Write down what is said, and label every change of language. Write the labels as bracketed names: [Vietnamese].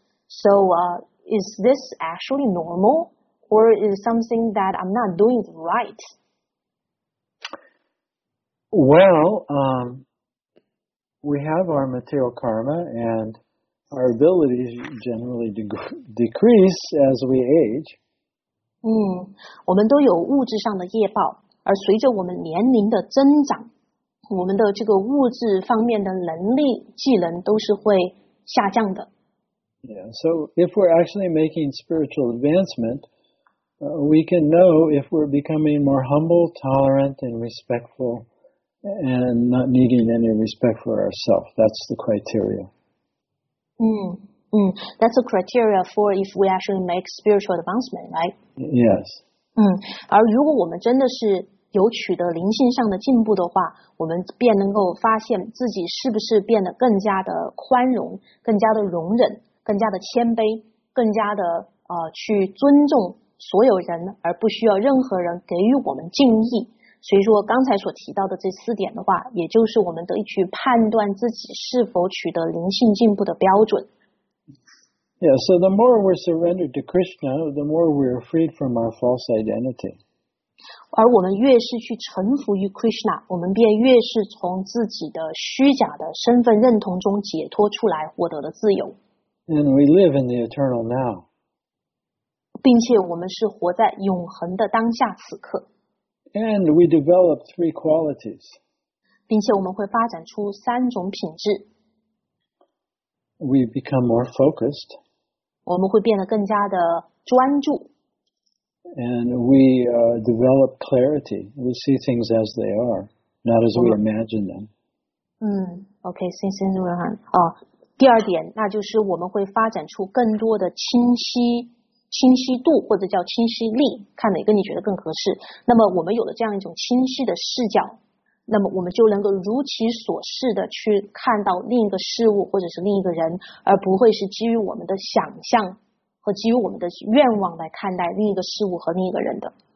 [English] So is this actually normal, or is it something that I'm not doing right? Well, we have our material karma, and our abilities generally decrease as we age. [Chinese] 我们都有物质上的业报，而随着我们年龄的增长，我们的这个物质方面的能力、技能都是会下降的。 [English] Yeah, so if we're actually making spiritual advancement, we can know if we're becoming more humble, tolerant, and respectful. And not needing any respect for ourselves. That's the criteria. That's a criteria for if we actually make spiritual advancement, right? Yes. [Chinese] 而如果我们真的是有取得灵性上的进步的话，我们便能够发现自己是不是变得更加的宽容，更加的容忍，更加的谦卑，更加的去尊重所有人，而不需要任何人给予我们敬意。所以说刚才所提到的这四点的话，也就是我们得去判断自己是否取得灵性进步的标准。 [English] Yeah, so the more we're surrendered to Krishna, the more we're freed from our false identity. [Chinese] 而我们越是去臣服于 Krishna, 我们便越是从自己的虚假的身份认同中解脱出来，获得了自由。 [English] And we live in the eternal now. [Chinese] 并且我们是活在永恒的当下此刻。 [English] And we develop three qualities. [Chinese] 并且我们会发展出三种品质。 [English] We become more focused. [Chinese] 我们会变得更加的专注。 [English] And we develop clarity. We see things as they are, not as we imagine them. Okay, since we have. [Chinese] 第二点，那就是我们会发展出更多的清晰度，或者叫清晰力，看哪个你觉得更合适。那么我们有了这样一种清晰的视角，那么我们就能够如其所示的去看到另一个事物或者是另一个人，而不会是基于我们的想象和基于我们的愿望来看待另一个事物和另一个人的。